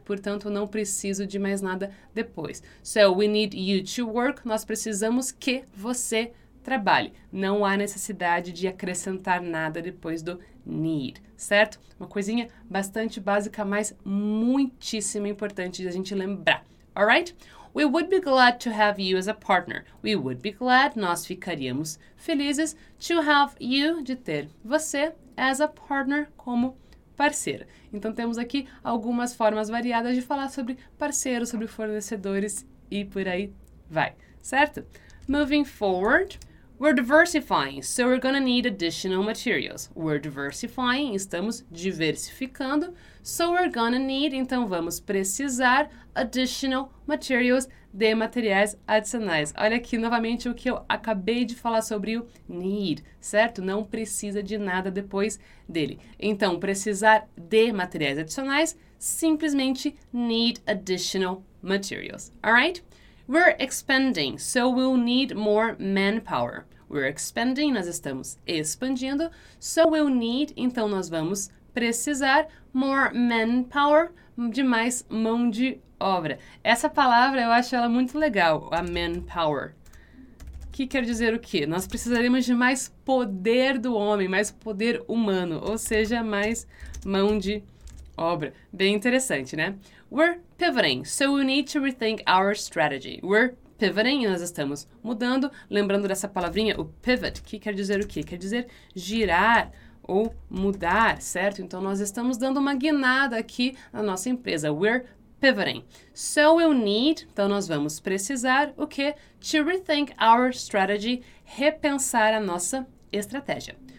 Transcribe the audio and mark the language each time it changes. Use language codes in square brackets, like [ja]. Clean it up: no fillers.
[pt] Portanto, não preciso de mais nada depois. [en] So, we need you to work. [pt] Nós precisamos que você trabalhe. Não há necessidade de acrescentar nada depois do need, certo? Uma coisinha bastante básica, mas muitíssimo importante de a gente lembrar. [en] Alright? We would be glad to have you as a partner. We would be glad, [pt] nós ficaríamos felizes, [en] to have you, [pt] de ter você, [en] as a partner, [pt] como parceiro. Então, temos aqui algumas formas variadas de falar sobre parceiros, sobre fornecedores e por aí vai, certo? [en] Moving forward, we're diversifying, so we're gonna need additional materials. We're diversifying, [pt] estamos diversificando, [en] so we're gonna need, [pt] então vamos precisar, [en] additional materials, [pt] de materiais adicionais. Olha aqui novamente o que eu acabei de falar sobre o need, certo? Não precisa de nada depois dele. Então, precisar de materiais adicionais, simplesmente [en] need additional materials, [pt] alright? [en] We're expanding, so we'll need more manpower. We're expanding, [pt] nós estamos expandindo, [en] so we'll need, [pt] então nós vamos precisar, [en] more manpower, [pt] de mais mão de obra. Essa palavra, eu acho ela muito legal, a manpower. Que quer dizer o quê? Nós precisaremos de mais poder do homem, mais poder humano, ou seja, mais mão de obra. Bem interessante, né? [en] We're pivoting, so we need to rethink our strategy. We're pivoting, [pt] nós estamos mudando. Lembrando dessa palavrinha, o pivot, que quer dizer o quê? Quer dizer girar ou mudar, certo? Então, nós estamos dando uma guinada aqui na nossa empresa. [en] We're pivoting. So we'll need, [pt] então nós vamos precisar, o quê? [en] To rethink our strategy, [pt] repensar a nossa estratégia.